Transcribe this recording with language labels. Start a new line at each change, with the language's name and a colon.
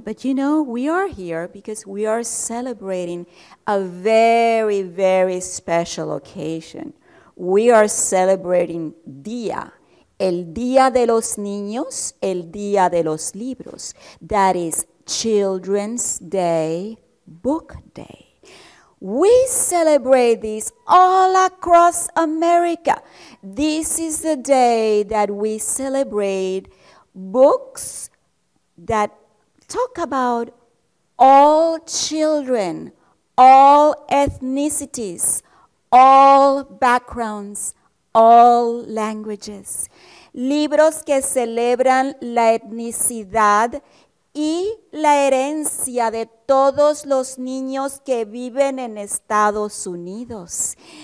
English: But you know, we are here because we are celebrating a very, very special occasion. We are celebrating Día, el Día de los Niños, el Día de los Libros. That is Children's Day, Book Day. We celebrate this all across America. This is the day that we celebrate books that talk about all children, all ethnicities, all backgrounds, all languages.
Spanish: Libros que celebran la etnicidad y la herencia de todos los niños que viven en Estados Unidos.